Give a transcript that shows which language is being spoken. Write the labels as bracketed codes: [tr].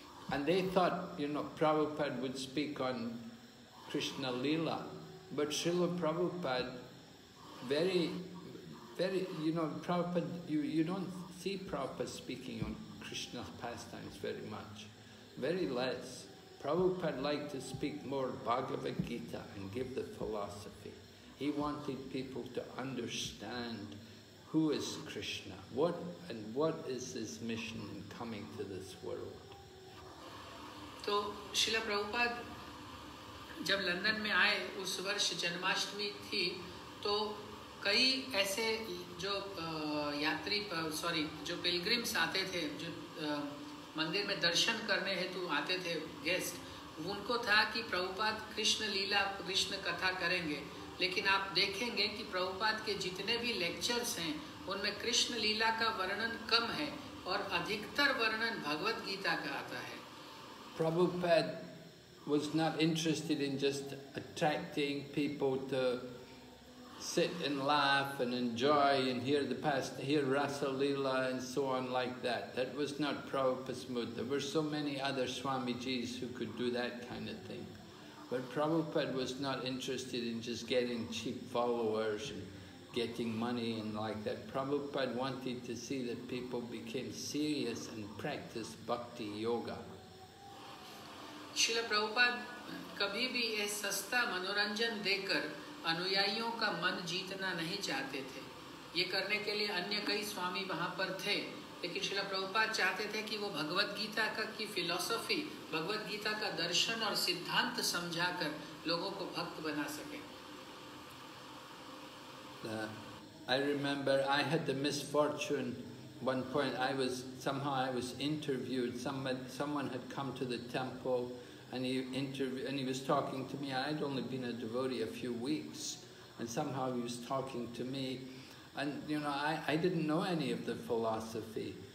[en] And they thought, you know, Prabhupada would speak on Krishna Leela, but Srila Prabhupada, very, very, you know, Prabhupada, you don't see Prabhupada speaking on Krishna's pastimes very much, very less. Prabhupada liked to speak more Bhagavad Gita and give the philosophy. He wanted people to understand who is Krishna, what is his mission in coming to this world. [hi] तो शिला प्रभुपाद जब London में आए, उस वर्ष जन्माष्टमी थी, तो कई ऐसे जो यात्री सॉरी जो पिलग्रिम्स आते थे, जो मंदिर में दर्शन करने हेतु आते थे गेस्ट, उनको था कि प्रभुपाद कृष्ण लीला कृष्ण कथा करेंगे, लेकिन आप देखेंगे कि प्रभुपाद के जितने भी लेक्चर्स हैं उनमें कृष्ण लीला का वर्णन कम है और अधिकतर वर्णन भगवद गीता का आता है। [en] Prabhupada was not interested in just attracting people to sit and laugh and enjoy and hear the past, hear Rasa Leela and so on like that. That was not Prabhupada's mood. There were so many other Swamijis who could do that kind of thing. But Prabhupada was not interested in just getting cheap followers and getting money and like that. Prabhupada wanted to see that people became serious and practiced bhakti yoga. [hi] Srila Prabhupada कभी भी यह सस्ता मनोरंजन देकर अनुयायियों का मन जीतना नहीं चाहते थे। ये करने के लिए अन्य कई स्वामी वहाँ पर थे, लेकिन श्रील प्रभुपाद चाहते थे कि वो भगवत गीता का की फिलॉसफी, भगवत गीता का दर्शन और सिद्धांत समझाकर लोगों को भक्त बना सके। [en] I remember I had the misfortune. One point I was interviewed, someone had come to the temple and he was talking to me. I'd only been a devotee a few weeks and somehow he was talking to me, and you know, I didn't know any of the philosophy.